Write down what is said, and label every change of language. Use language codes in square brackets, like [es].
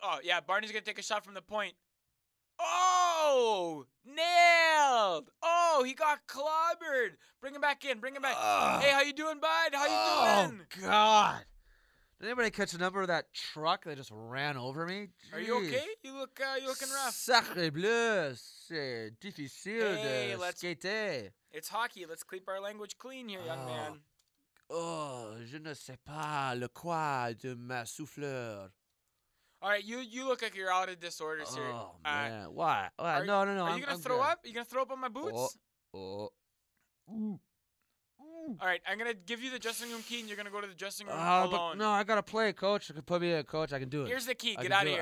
[en] Oh yeah, Barney's gonna take a shot from the point. Oh, nailed. Oh, he got clobbered. Bring him back in. Hey, how you doing, bud? How you doing? Oh God. Did anybody catch the number of that truck that just ran over me? Jeez. Are you okay? You're looking rough. [fr] Sacre bleu, c'est difficile de skater. [en] It's hockey. Let's keep our language clean here, young man. [fr] Oh, je ne sais pas le quoi de ma souffleur. [en] All right, you look like you're out of disorder, sir. Oh, man. Why? No. Are you going to throw up? Are you going to throw up on my boots? All right, I'm going to give you the dressing room key, and you're going to go to the dressing room alone. But no, I got to play, coach. You can put me in, coach. I can do it. Here's the key. Get out of here.